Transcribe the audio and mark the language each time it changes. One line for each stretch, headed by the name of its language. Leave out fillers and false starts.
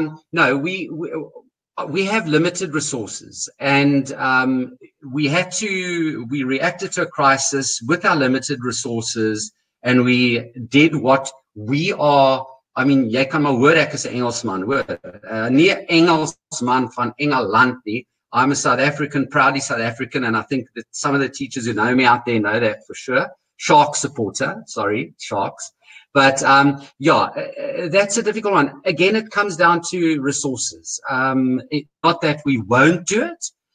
English: No, we have limited resources, and we reacted to a crisis with our limited resources, and we did what we are. I mean,
Afrikaans: jy kan maar hoor ek is 'n Engelsman, hoor. Nie Engelsman van Engeland nie.
English: I'm a South African, proudly South African, and I think that some of the teachers who know me out there know that for sure. Shark supporter, sorry, Sharks. But that's a difficult one. Again, it comes down to resources. Not that we won't do it.